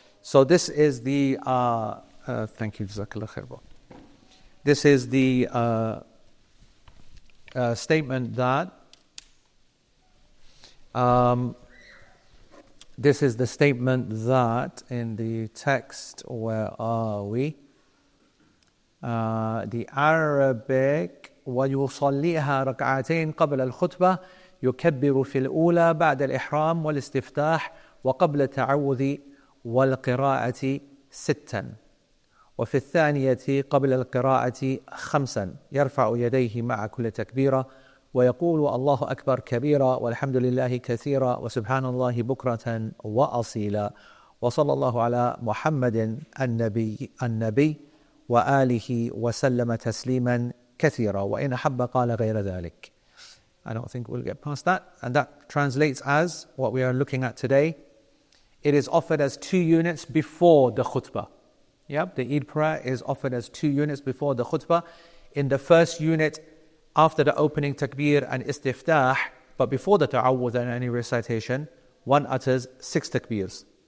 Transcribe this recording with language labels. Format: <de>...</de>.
<en>So this is the, thank you, Jazakallah khair. This is the statement that This is the statement that in the text, where are we? The Arabic,</en> <ar>وَيُصَلِّيهَا رَكْعَتَيْن قَبْلَ الْخُطْبَةِ يُكَبِّرُ فِي الْأُولَى بَعْدَ الْإِحْرَامِ وَالْإِسْتِفْتَاحِ وَقَبْلَ تَعَوُّذِ وَالْقِرَاءَةِ سِتًّا وَفِي الثَّانِيَةِ قَبْلَ الْقِرَاءَةِ خَمْسًا يَرْفَعُ يَدَيْهِ مَعَ كُلِّ تَكْبِيرَةٍ ويقول الله أكبر كبيرا والحمد لله كثيرا وسبحان الله بكرة وأصيلا وصلى الله على محمد النبي وآله وسلم تسليما كثيرا وإن أحب قال غير ذلك.</ar> <en>I don't think we'll get past that. And that translates as what we are looking at today. It is offered as two units before the khutbah. Yep, the Eid prayer is offered as two units before the khutbah. In the first unit, after the opening takbir and istiftah, but before the ta'awwud and any recitation, one utters six takbirs.</en>